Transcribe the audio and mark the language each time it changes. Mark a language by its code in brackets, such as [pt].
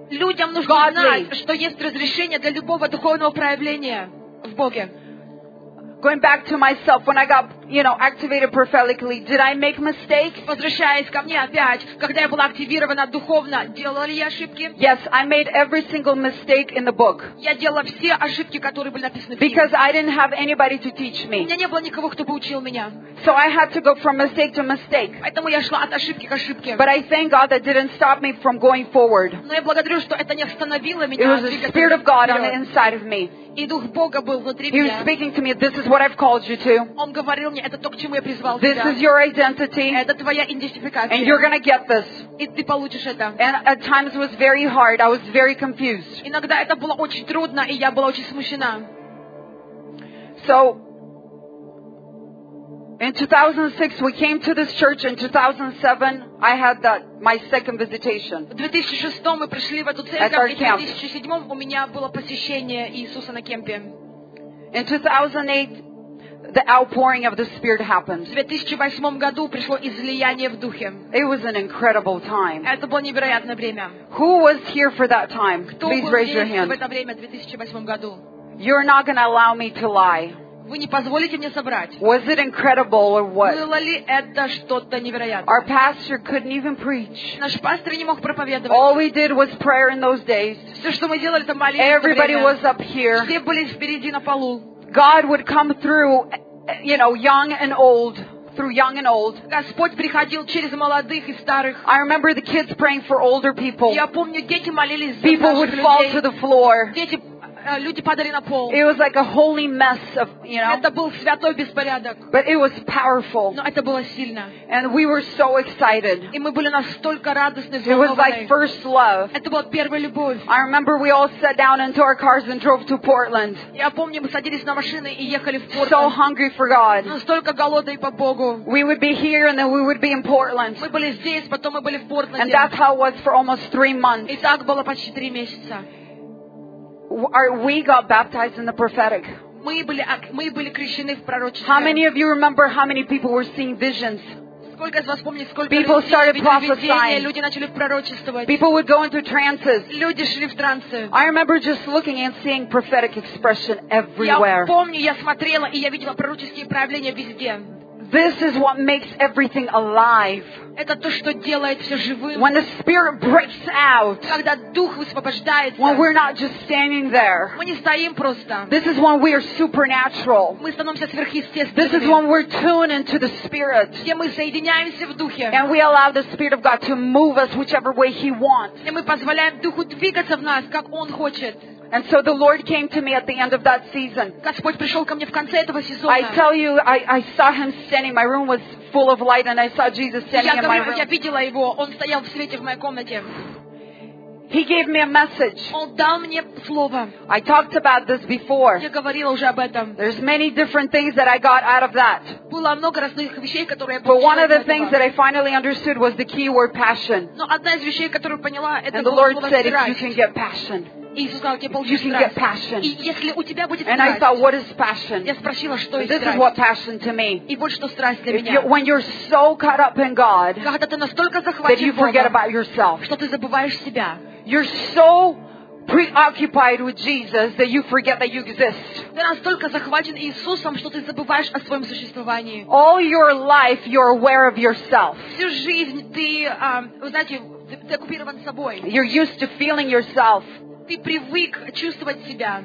[ru] Людям нужно знать, что есть разрешение для любого духовного проявления в Боге. [en] Going back to myself, when I got, you know, activated prophetically, did I make mistakes? [ru] Возвращаясь ко мне опять, когда я была активирована духовно, делала ли я ошибки? [en] Yes, I made every single mistake in the book. [ru] Я делала все ошибки, которые были написаны в книге. [en] Because I didn't have anybody to teach me. [ru] У меня не было никого, кто бы учил меня. [en] So I had to go from mistake to mistake. [ru] Поэтому я шла от ошибки к ошибке. [en] But I thank God that didn't stop me from going forward. [ru] Но я благодарю, что это не остановило меня. [en] It was the Spirit of God on the inside of me. [ru] И Дух Бога был внутри меня. [en] He was speaking to me, this is what I've called you to. [ru] Он говорил мне, это то, к чему я призвал тебя. [en] This is your identity. [ru] Это твоя идентификация. [en] And you're going to get this. [ru] И ты получишь это. [en] And at times it was very hard. I was very confused. [ru] Иногда это было очень трудно, и я была очень смущена. [en] So, in 2006, we came to this church. In 2007, I had that my second visitation. [ru] В 2006 мы пришли в эту церковь, и в 2007 у меня было посещение Иисуса на кемпе. [en] In 2008, the outpouring of the Spirit happened. [ru] В 2008 году пришло излияние в духе. [en] It was an incredible time. [ru] Это было невероятное время. [en] Who was here for that time? [ru] Кто [en] Please raise your hand. [ru] В это время, в 2008 году. [en] You're not going to allow me to lie. [ru] Вы не позволите мне соврать. [en] Was it incredible or what? [ru] Было ли это что-то невероятное? [en] Our pastor couldn't even preach. [ru] Наш пастор не мог проповедовать. [en] All we did was prayer in those days. [ru] Все, что мы делали, это молитва. [en] Everybody was up here. [ru] Все были впереди на полу. [en] God would come through, you know, young and old. Through young and old. [ru] Господь приходил через молодых и старых. [en] I remember the kids praying for older people. [ru] Я помню, дети молились за старших людей. [en] People would fall to the floor. [ru] Дети люди падали на пол. [en] It was like a holy mess of, you know. [ru] Это был святой беспорядок. [en] But it was powerful. [ru] Но это было сильно. [en] And we were so excited. [ru] И мы были настолько радостны. [en] It was like first love. [ru] Это была первая любовь. [en] I remember we all sat down into our cars and drove to Portland. [ru] Я помню, мы садились на машины и ехали в Портленд. [en] So hungry for God. [ru] Настолько голодные по Богу. [en] We would be here and then we would be in Portland. [ru] Мы были здесь, потом мы были в Портленде. [en] And that's how it was for almost 3 months. [ru] И так было почти 3 месяца. [en] We got baptized in the prophetic. [ru] Мы были крещены в пророчестве. [en] How many of you remember how many people were seeing visions? [ru] Сколько из вас помнит, сколько [en] people started prophesying. [ru] Люди начали пророчествовать. [en] People would go into trances. [ru] Люди шли в трансы. [en] I remember just looking and seeing prophetic expression everywhere. [ru] Я помню, я смотрела и я видела пророческие проявления везде. [en] This is what makes everything alive. [ru] Это то, что делает все живым. [en] When the Spirit breaks out. [ru] Когда Дух высвобождается. [en] When we're not just standing there. [ru] Мы не стоим просто. [en] This is when we are supernatural. [ru] Мы становимся сверхъестественными. [en] This is when we're tuned into the Spirit. [ru] Где мы соединяемся в Духе. [en] And we allow the Spirit of God to move us whichever way He wants. [ru] И мы позволяем Духу двигаться в нас, как Он хочет. [en] And so the Lord came to me at the end of that season. [ru] Господь пришел ко мне в конце этого сезона. [en] I tell you, I saw Him standing. My room was full of light, and I saw Jesus standing in my room. [ru] Я видела его. Он стоял в свете в моей комнате. [en] He gave me a message. [ru] Он дал мне слово. [en] I talked about this before. [ru] Я говорила уже об этом. [en] There's many different things that I got out of that. [ru] Было много разных вещей, которые я. [en] But one of the things that I finally understood was the key word passion. [ru] Но одна из вещей, которую поняла, это было слово. [en] And the Lord said, if you can get passion. You can get passion. And I thought, what is passion? This is what passion to me. When you're so caught up in God that you forget about yourself. You're so preoccupied with Jesus that you forget that you exist. [ru] Ты настолько захвачен Иисусом, что ты забываешь о своем существовании. [en] All your life you're aware of yourself. [ru] Всю жизнь ты, знаете, ты оккупирован собой. [en] You're used to feeling yourself. [ru] Ты привык чувствовать себя.